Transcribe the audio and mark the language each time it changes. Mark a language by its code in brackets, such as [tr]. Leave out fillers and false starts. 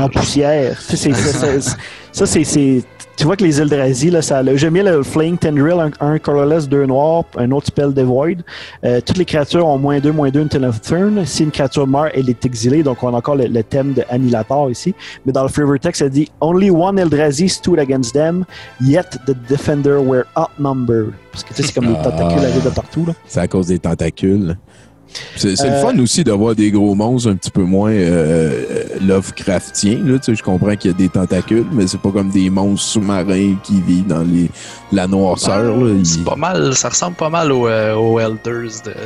[fr] En poussière. Ça, c'est... tu vois que les Eldrazi, là, ça, j'ai mis le Flaying Tendril, un colorless, deux noirs, un autre spell Devoid. Toutes les créatures ont -2/-2 [en] until end of turn. [fr] Si une créature meurt, elle est exilée. Donc, on a encore le thème de Annihilator ici. Mais dans le Flavor Text, ça dit [en] Only one Eldrazi stood against them, yet the defender were outnumbered. [fr] Parce que tu sais, c'est comme des tentacules arrivent de partout. Là. C'est à cause des tentacules. C'est le fun aussi d'avoir des gros monstres un petit peu moins Lovecraftiens. Là, tu sais, je comprends qu'il y a des tentacules, mais c'est pas comme des monstres sous-marins qui vivent dans la noirceur. Ben, là, Pas mal, ça ressemble pas mal aux Elders.